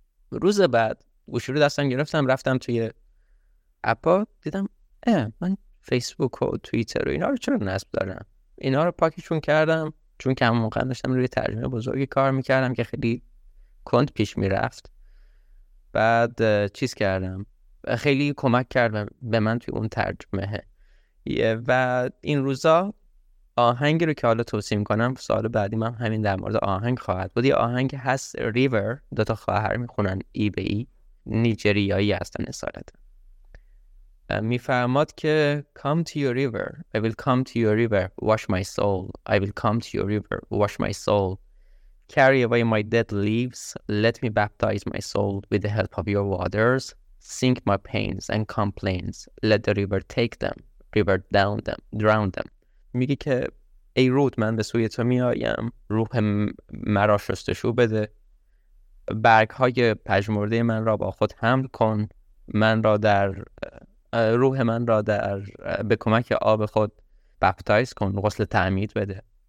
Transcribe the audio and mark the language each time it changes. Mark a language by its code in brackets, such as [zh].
[fa] روز بعد گوشی رو دستم گرفتم رفتم توی اپا دیدم اه من فیسبوک و توییتر و اینا رو چرا نصب دارم، اینا رو پاکشون کردم چون که همون موقع داشتم روی ترجمه بزرگی کار میکردم که خیلی کند پیش میرفت، بعد چیز کردم خیلی کمک کرد به من توی اون ترجمه. و این روزا آهنگی رو که حالا توصیه میکنم سال بعدی من همین در مورد آهنگ خواهد بود، یه آهنگ هست ریور، دوتا خواهر میخونن ای به ای، نیجریایی هستن اصالتا. میفرماد که [en] come to your river I will come to your river wash my soul I will come to your river wash my soul carry away my dead leaves let me baptize my soul with the help of your waters sink my pains and complaints let the river take them river down them drown them. [fa] میگه که ای رود من به سوی تو میایم، روح مرا شستشو بده، برگ های پژمرده من را با خود حمل کن، من را در روح من را در به کمک آب خود بپتایز کن، غسل تعمید بده.